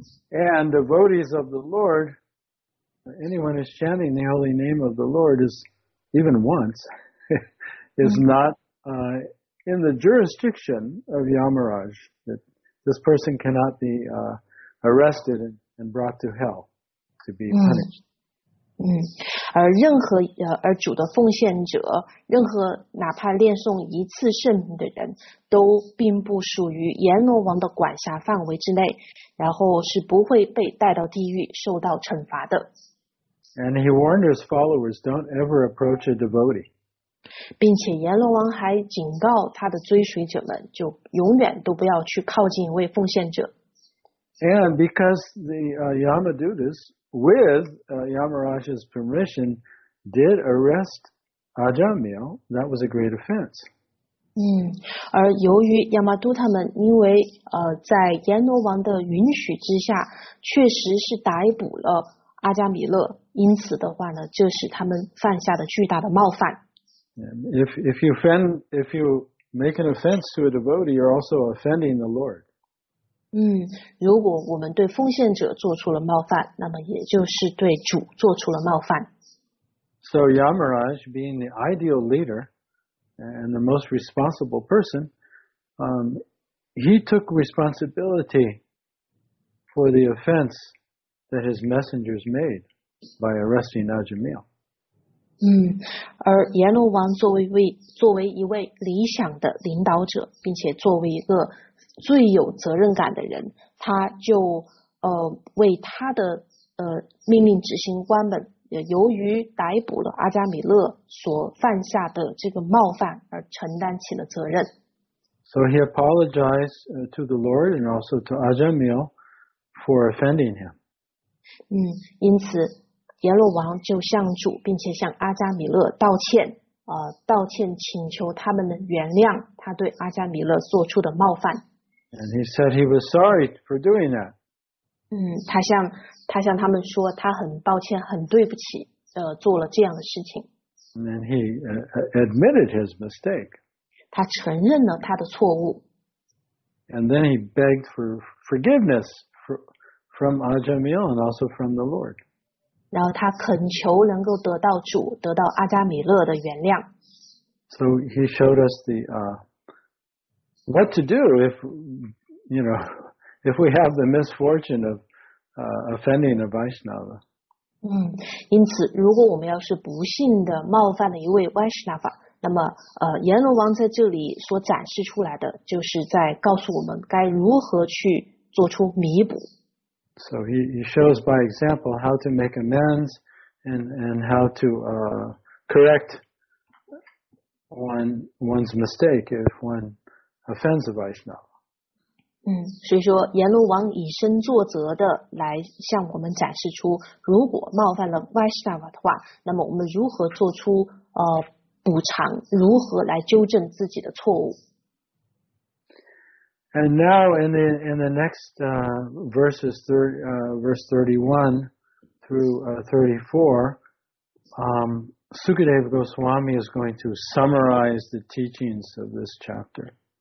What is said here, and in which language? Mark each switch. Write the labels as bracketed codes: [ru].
[en] And devotees of the Lord,Anyone who's chanting the holy name of the Lord is, even once, is not in the jurisdiction of Yamaraj. That this person cannot be arrested and brought to hell to be punished. [zh] 而任何而主的奉献者，任何哪怕念诵一次圣名的人，都并不属于阎罗王的管辖范围之内，然后是不会被带到地狱受到惩罚的。 [en] And he warned his followers, don't ever approach a devotee. [zh] 并且阎罗王还警告他的追随者们，就永远都不要去靠近一位奉献者。 [en] And because the Yamadutas, with Yamaraj's permission, did arrest Ajamil, that was a great offense. [zh] 而由于亚玛都他们因为在阎罗王的允许之下，确实是逮捕了阿加米勒，因此的话呢，这是他们犯下的巨大的冒犯。 [en] If you make an offense to a devotee, you're also offending the Lord. [zh] 如果我们对奉献者做出了冒犯，那么也就是对主做出了冒犯。 [en] So Yamaraj, being the ideal leader and the most responsible person, he took responsibility for the offense. That his messengers made by arresting Ajamil. [zh] 而阎罗王作为一位理想的领导者，并且作为一个最有责任感的人，他就为他的命令执行官们，由于逮捕了阿加米勒所犯下的这个冒犯而承担起了责任。 [en] So he apologized to the Lord and also to Ajamil for offending him. [zh] 因此阎罗王就向主并且向阿加米勒道歉道歉请求他们的原谅他对阿加米勒做出的冒犯。 [en] And he said he was sorry for doing that. [zh] 他向他们说他很抱歉很对不起做了这样的事情。 [en] And then he admitted his mistake. [zh] 他承认了他的错误。 [en] And then he begged for forgiveness from Ajamil and also from the Lord. [zh] 然后他恳求能够得到主，得到阿加米勒的原谅。 [en] So he showed us the what to do if if we have the misfortune of offending a Vaishnava. [zh] 因此如果我们要是不幸的冒犯了一位 Vaishnava, 那么阎罗王在这里所展示出来的就是在告诉我们该如何去做出弥补。 [en] So he shows by example how to make amends and how to correct one's mistake if one offends a Vaishnava. [zh] 所以说阎罗王以身作则的来向我们展示出，如果冒犯了 Vaishnava 的话，那么我们如何做出补偿，如何来纠正自己的错误。 [en] And now in the next verse 31 through 34, Sukadeva Goswami is going to summarize the teachings of this chapter.